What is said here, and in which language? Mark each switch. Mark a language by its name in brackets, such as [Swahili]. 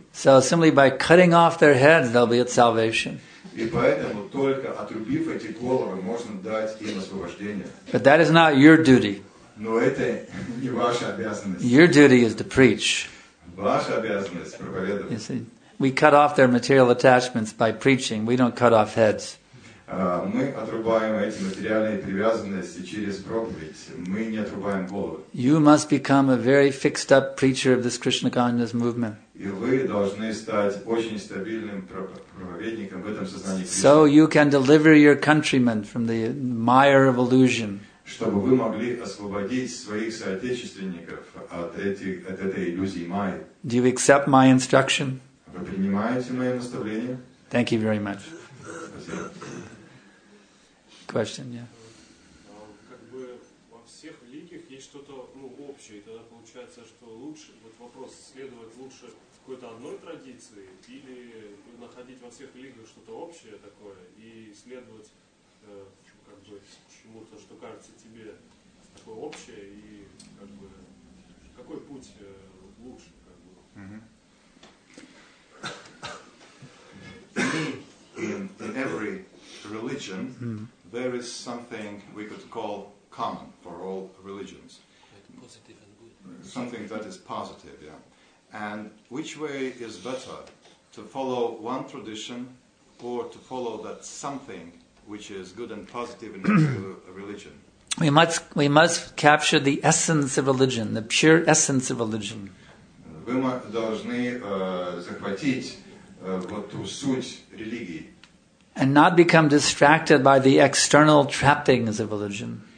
[English] So simply by cutting off their heads, they'll be at salvation. [Russian] И поэтому только отрубив эти головы можно дать им освобождение. [English] But that is not your duty. [Russian] Но это не ваша обязанность. [English] Your duty is to preach. [Russian] Ваша обязанность проповедовать. [English] You see, we cut off their material attachments by preaching. We don't cut off heads. [Russian] Мы отрубаем эти материальные привязанности через проповедь. Мы не отрубаем головы. [English] You must become a very fixed up preacher of this Krishna consciousness movement. [Russian] И вы должны стать очень стабильным проповедником в этом сознании. [English] So you can deliver your countrymen from the mire of illusion. [Russian] Чтобы вы могли освободить своих соотечественников от этой иллюзии майи. [English] Do you accept my instruction? [Russian] Вы принимаете мое наставление? [English] Thank you very much. [Russian] Спасибо. [English] Question, yeah. [Russian] Как бы во всех религиях есть что-то общее, и тогда получается, что лучше, вот вопрос, следовать лучше какой-то одной традиции или находить во всех религиях что-то общее такое и следовать как бы чему-то, что кажется тебе такое общее и как бы какой путь лучше как бы. [English] In every religion there is something we could call common for all religions. Positive and good. Something that is positive, yeah. And which way is better, to follow one tradition or to follow that something which is good and positive in a religion? We must capture the essence of religion, the pure essence of religion. [Russian] Вы должны захватить вот ту суть религии. [English] And not become distracted by the external trappings of religion.